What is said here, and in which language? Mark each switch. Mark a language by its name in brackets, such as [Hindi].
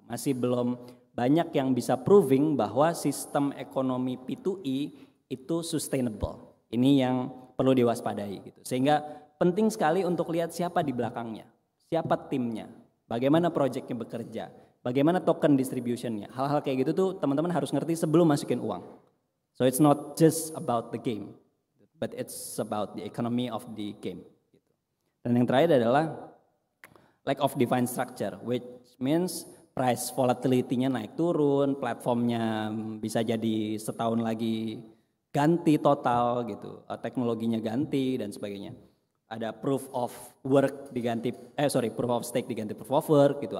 [Indonesian] Masih belum banyak yang bisa proving bahwa sistem ekonomi P2E itu sustainable. Ini yang perlu diwaspadai gitu. Sehingga penting sekali untuk lihat siapa di belakangnya, siapa timnya, bagaimana projectnya bekerja, bagaimana token distribution-nya. Hal-hal kayak gitu tuh teman-teman harus ngerti sebelum masukin uang. [English] So it's not just about the game, but it's about the economy of the game. [Indonesian] Dan yang terakhir adalah [English] lack of defined structure, which means [Indonesian] price volatility-nya naik turun, platformnya bisa jadi setahun lagi ganti total gitu, teknologinya ganti dan sebagainya. Ada proof of work diganti, proof of stake diganti proof of work gitu.